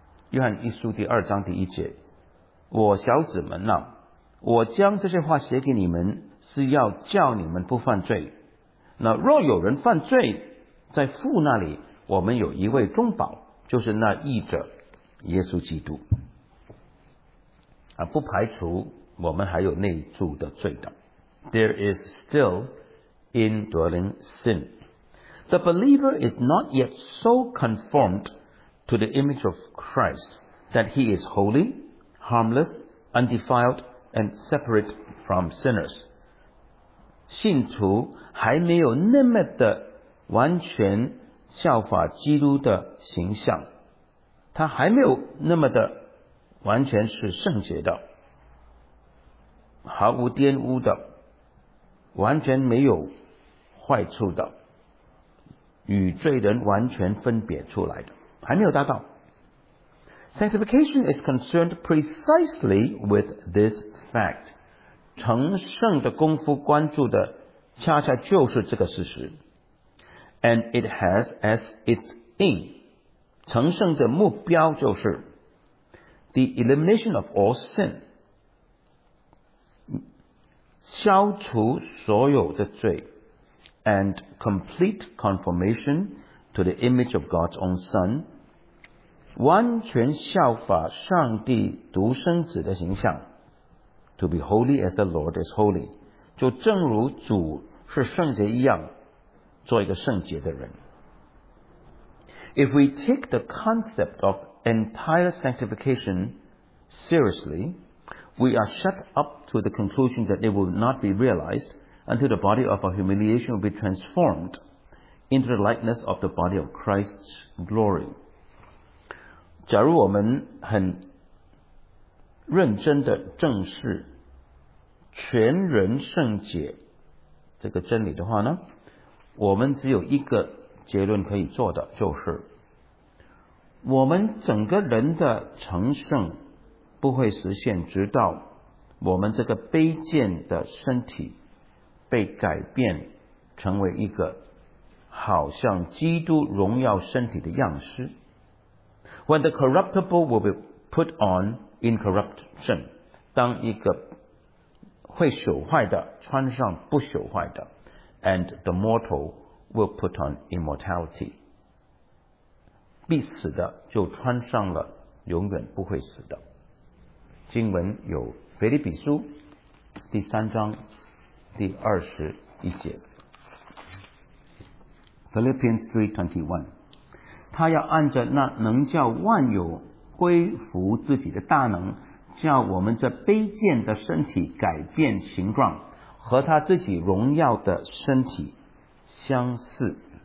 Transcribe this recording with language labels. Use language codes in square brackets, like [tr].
[zh] 约翰一书第二章第一节，我小子们啊，我将这些话写给你们，是要叫你们不犯罪。那若有人犯罪，在父那里我们有一位中保，就是那义者耶稣基督。不排除我们还有内住的罪的。 [en] There is still indwelling sin. The believer is not yet so conformed to the image of Christ that he is holy, harmless, undefiled, and separate from sinners. [zh] 信徒还没有那么的完全效法基督的形象，他还没有那么的完全是圣洁的，毫无玷污的，完全没有坏处的，与罪人完全分别出来的，还没有达到。 [en] Sanctification is concerned precisely with this fact. [zh] 成圣的功夫关注的恰恰就是这个事实。 [en] And it has as its aim. [zh] 成圣的目标就是 [en] the elimination of all sin. [zh] 消除所有的罪 [en] and complete conformation to the image of God's own Son. [zh] 完全效法上帝独生子的形象 [en] To be holy as the Lord is holy [zh] 就正如主是圣洁一样做一个圣洁的人 [en] If we take the concept of entire sanctification seriously We are shut up to the conclusion that it will not be realized Until the body of our humiliation will be transformed Into the likeness of the body of Christ's glory [zh] 假如我们很认真的正视全人圣洁这个真理的话呢，我们只有一个结论可以做的，就是我们整个人的成圣不会实现，直到我们这个卑贱的身体被改变，成为一个好像基督荣耀身体的样式。 [en] When the corruptible will be put on incorruption, [zh] 当一个会朽坏的穿上不朽坏的 [en] and the mortal will put on immortality, [zh] 必死的就穿上了永远不会死的。经文有腓立比书第三章第二十一节 Philippians 3:21他要按着那能叫万有归服自己的大能叫我们这卑贱的身体改变形状和他自己荣耀的身体相似